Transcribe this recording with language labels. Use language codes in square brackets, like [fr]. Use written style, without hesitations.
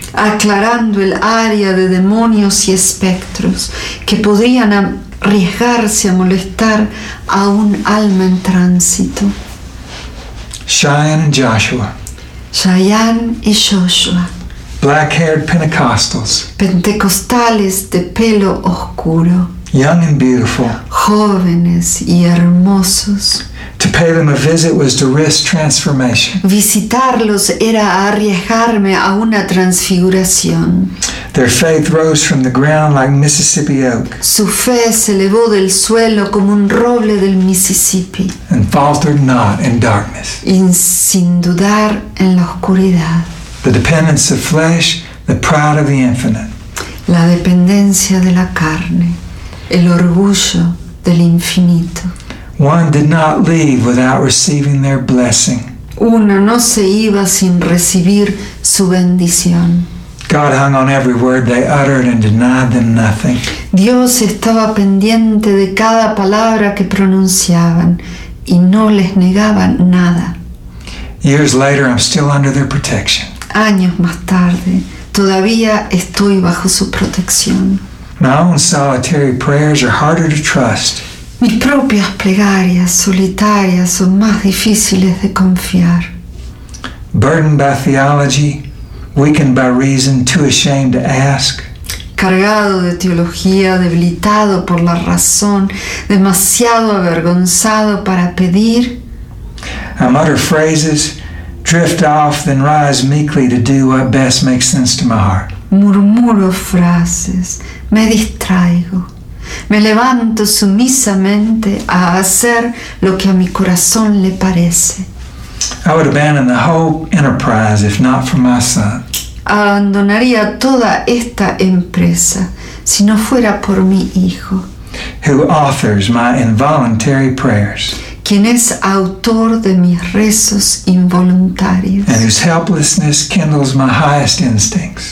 [es] Aclarando el área de demonios y espectros que podrían arriesgarse a molestar a un alma en tránsito. [en] Cheyenne and Joshua. [es] Cheyenne y Joshua. [en] Black-haired Pentecostals. [es] Pentecostales de pelo oscuro. [en] Young and beautiful. [es] Jóvenes y hermosos. [en] To pay them a visit was to risk transformation. [es] Visitarlos era arriesgarme a una transfiguración. [en] Their faith rose from the ground like Mississippi oak. [es] Su fe se elevó del suelo como un roble del Mississippi. [en] And faltered not in darkness. [es] Y sin dudar en la oscuridad. [en] The dependence of flesh, the pride of the infinite. [es] La dependencia de la carne, el orgullo del infinito. [en] One did not leave without receiving their blessing. [es] Uno no se iba sin recibir su bendición. [en] God hung on every word they uttered and denied them nothing. [es] Dios estaba pendiente de cada palabra que pronunciaban y no les negaba nada. [en] Years later, I'm still under their protection. [es] Años más tarde, todavía estoy bajo su protección. [en] My own solitary prayers are harder to trust. [es] Mis propias plegarias solitarias son más difíciles de confiar. [en] Burdened by theology, weakened by reason, too ashamed to ask. [es] Cargado de teología, debilitado por la razón, demasiado avergonzado para pedir. [en] I mutter phrases, drift off, then rise meekly to do what best makes sense to my heart. [es] Murmuro frases, me distraigo. Me levanto sumisamente a hacer lo que a mi corazón le parece. [en] I would abandon the whole enterprise if not for my son. [es] Abandonaría toda esta empresa si no fuera por mi hijo. [en] Who authors my involuntary prayers. [es] Quien es autor de mis rezos involuntarios. [en] And whose helplessness kindles my highest instincts.